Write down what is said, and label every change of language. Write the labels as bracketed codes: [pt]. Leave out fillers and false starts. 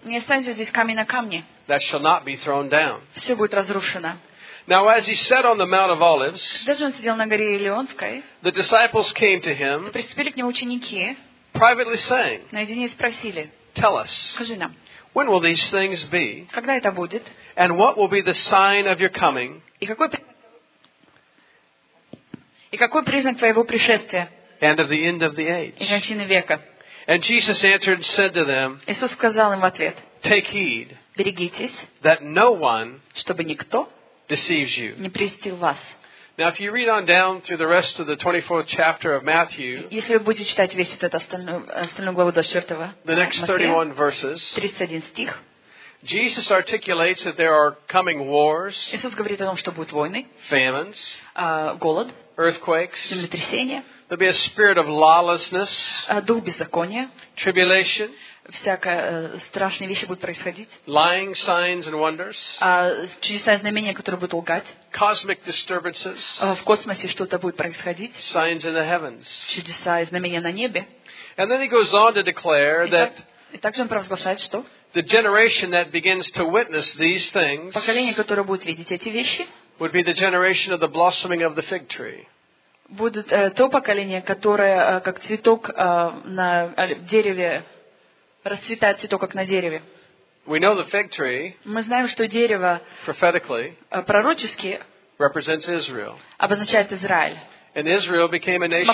[ru] Не останется здесь камень на камне. [en] That shall not be thrown down. [ru] Все будет разрушено. [en] Now as he sat on the Mount of Olives, [ru] даже он сидел на горе Елеонской, [en] the disciples came to him, [ru] приступили к нему ученики, [en] privately saying, [ru] наедине спросили, [en] tell us, [ru] скажи нам, [en] when will these things be, [ru] когда это будет, [en] and what will be the sign of your coming, [ru] и какой признак твоего пришествия, [en] and of the end of the age, [ru] и кончины века. [en] And Jesus answered and said to them, [ru] Иисус сказал им в ответ, [en] take heed, [ru] берегитесь, [en] that no one, [ru] чтобы никто [en] deceives you. [ru] Не прельстил вас. [en] Now, if you read on down through the rest of the 24th chapter of Matthew, [ru] если вы будете читать весь этот остальную главу до 4-го, [en] the next 31 verses, [ru] 31 стих, [en] Jesus articulates that there are coming wars, [ru] Иисус говорит о том, что будут войны, [en] famines, [ru] голод, [en] earthquakes, [ru] землетрясения, [en] there'll be a spirit of lawlessness, [ru] дух беззакония, [en] tribulation. [ru] Всякие страшные вещи будут происходить. [en] Lying signs and wonders. [ru] Чудеса и знамения, которые будут лгать. [en] Cosmic disturbances. [ru] В космосе что-то будет происходить. [en] Signs in the heavens. [ru] Чудеса и знамения на небе. [en] And then he goes on to declare that. [ru] И также он провозглашает, что. [en] The generation that begins to witness these things. [ru] Поколение, которое будет видеть эти вещи. [en] Would be the generation of the blossoming of the fig tree. [ru] Будет то поколение, которое как цветок на дереве. Расцветает цветок, как на дереве. [en] We know the fig tree, [ru] мы знаем, что дерево [en] prophetically, [ru] пророчески [en] represents Israel. [ru] Обозначает Израиль. [en] And Israel became a nation.